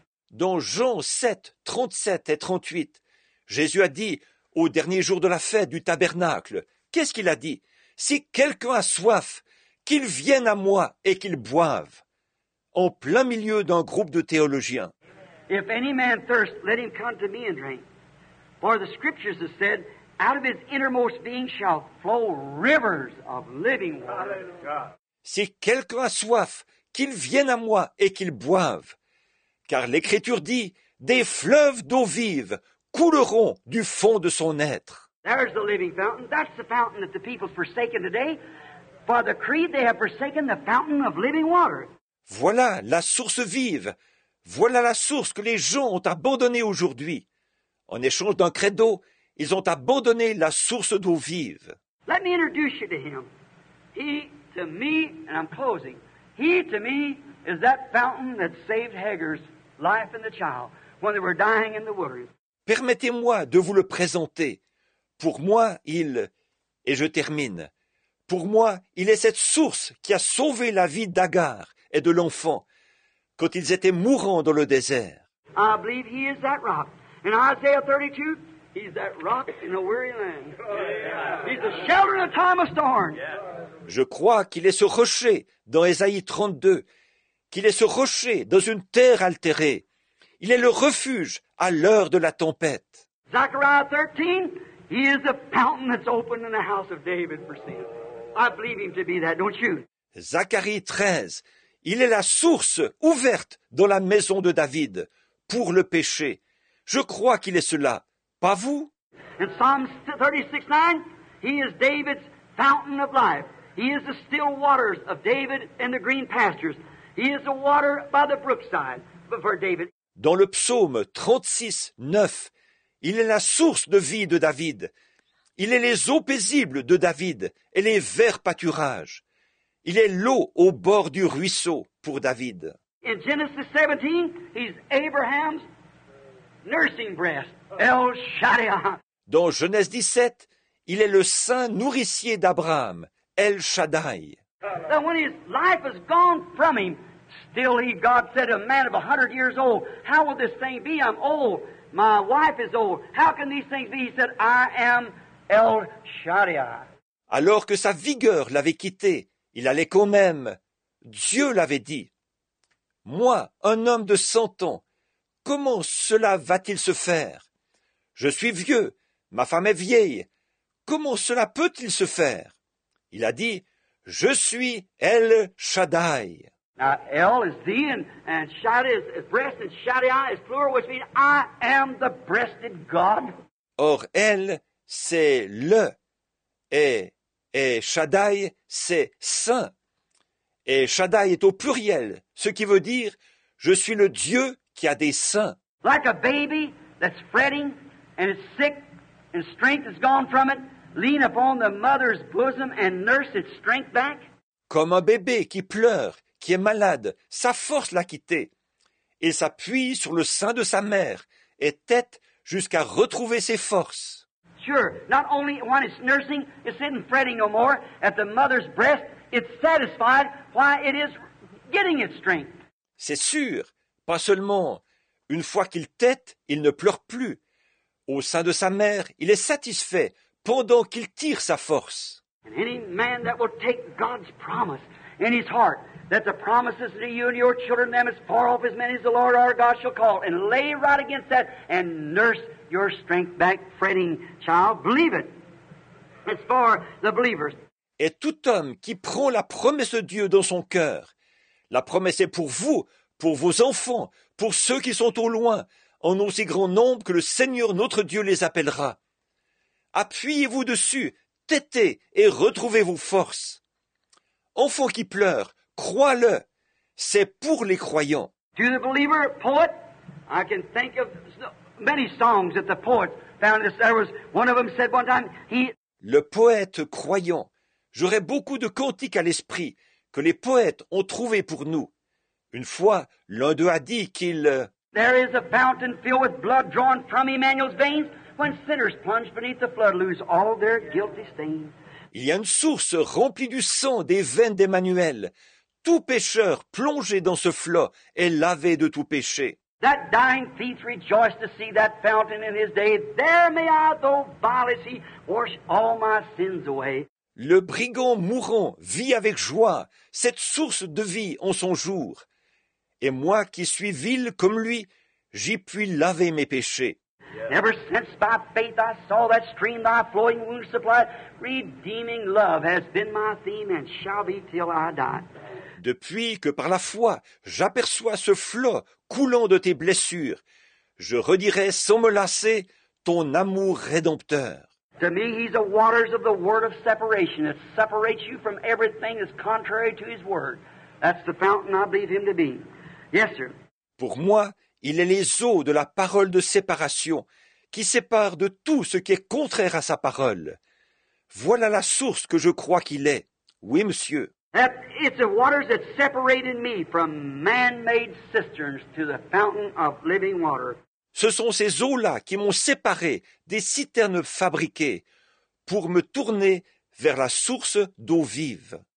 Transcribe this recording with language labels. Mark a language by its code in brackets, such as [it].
[fr] Dans Jean 7:37-38, Jésus a dit, au dernier jour de la fête du tabernacle, qu'est-ce qu'il a dit? Si quelqu'un a soif, qu'il vienne à moi et qu'il boive. En plein milieu d'un groupe de théologiens. [en] If any man thirst, let him come to me and drink. For the scriptures have said, out of his innermost being shall flow rivers of living water. [fr] Si quelqu'un a soif, qu'il vienne à moi et qu'il boive. Car l'Écriture dit, des fleuves d'eau vive couleront du fond de son être. [en] There's the living fountain. That's the fountain that the people forsaken today. By the creed, they have forsaken the fountain of living water. [fr] Voilà la source vive. Voilà la source que les gens ont abandonnée aujourd'hui. En échange d'un credo, ils ont abandonné la source d'eau vive. [en] Let me introduce you to him. He to me, and I'm closing. He to me is that fountain that saved Hagar's life and the child when they were dying in the wilderness. [fr] Permettez-moi de vous le présenter. Pour moi, il... Et je termine. Pour moi, il est cette source qui a sauvé la vie d'Agar et de l'enfant quand ils étaient mourants dans le désert. [en] I believe he is that rock. In Isaiah 32, he's that rock in a weary land. He's a shelter in a time of storm. [fr] Je crois qu'il est ce rocher dans Esaïe 32, qu'il est ce rocher dans une terre altérée. Il est le refuge à l'heure de la tempête. [en] Zechariah 13, he is the fountain that's opened in the house of David for sin. I believe him to be that, don't you? [fr] Zacharie 13, il est la source ouverte dans la maison de David pour le péché. Je crois qu'il est cela, pas vous? [en] In Psalm 36:9, he is David's fountain of life. He is the still waters of David and the green pastures. He is the water by the brookside for David. [fr] Dans le psaume 36:9, il est la source de vie de David. Il est les eaux paisibles de David et les verts pâturages. Il est l'eau au bord du ruisseau pour David. [en] In Genesis 17, he's Abraham's nursing breast, El Shaddai. [fr] Dans Genèse 17, il est le sein nourricier d'Abraham, El Shaddai. [en] So when his life is gone from him, still he, God said, a man of 100 years old, how will this thing be? I'm old. My wife is old. How can these things be? He said, I am El Shaddai. [fr] Alors que sa vigueur l'avait quitté, il allait quand même. Dieu l'avait dit. Moi, un homme de 100 ans, comment cela va-t-il se faire? Je suis vieux. Ma femme est vieille. Comment cela peut-il se faire? Il a dit, je suis El Shaddai. [en] Now, El is the and Shaddai is breast, and Shaddai is plural, which means I am the breasted God. [fr] Or, El, c'est le, et Shaddai, c'est saint. Et Shaddai est au pluriel, ce qui veut dire, Je suis le Dieu qui a des seins. [en] Like a baby that's fretting and it's sick and strength is gone from it, lean upon the mother's bosom and nurse its strength back. [fr] Comme un bébé qui pleure, qui est malade, sa force l'a quitté. Il s'appuie sur le sein de sa mère et tête jusqu'à retrouver ses forces. [en] Sure, not only when it's nursing, it's sitting fretting no more at the mother's breast, it's satisfied why it is getting its strength. [fr] C'est sûr, pas seulement une fois qu'il tète, il ne pleure plus. Au sein de sa mère, il est satisfait pendant qu'il tire sa force. [en] And any man that will take God's promise in his heart, that the promises to you and your children, them as far off as many as the Lord our God shall call, and lay right against that and nurse your strength back, fretting child, believe it. It's for the believers. [fr] Et tout homme qui prend la promesse de Dieu dans son cœur, la promesse est pour vous, pour vos enfants, pour ceux qui sont au loin, en aussi grand nombre que le Seigneur notre Dieu les appellera. Appuyez-vous dessus, têtez et retrouvez vos forces. Enfants qui pleurent, crois-le, c'est pour les croyants. [en] To the believer, poet, I can think of many songs that the poet found. There was one of them said one time, [fr] Le poète croyant, j'aurais beaucoup de cantiques à l'esprit que les poètes ont trouvé pour nous. Une fois, l'un d'eux a dit qu'il... [en] There is a fountain filled with blood drawn from Emmanuel's veins. When sinners plunge beneath the flood, lose all their guilty stain. [fr] Il y a une source remplie du sang des veines d'Emmanuel. Tout pécheur plongé dans ce flot est lavé de tout péché. [en] That dying thief rejoiced to see that fountain in his day. There may I, though vile, see, wash all my sins away. [fr] Le brigand mourant vit avec joie cette source de vie en son jour. Et moi qui suis vil comme lui, j'y puis laver mes péchés. [en] Ever since by faith I saw that stream thy flowing wounds supplied, redeeming love has been my theme and shall be till I die. [fr] Depuis que par la foi j'aperçois ce flot coulant de tes blessures, je redirai sans me lasser ton amour rédempteur. [en] To me he's the waters of the word of separation that separates you from everything that's contrary to his word. That's the fountain I believe him to be. Yes, sir. [fr] Pour moi, il est les eaux de la parole de séparation qui séparent de tout ce qui est contraire à sa parole. Voilà la source que je crois qu'il est. Oui, monsieur. [en] That it's the waters that separated me from man-made cisterns to the fountain of living water. [fr] Ce sont ces eaux-là qui m'ont séparé des citernes fabriquées pour me tourner vers la source d'eau vive.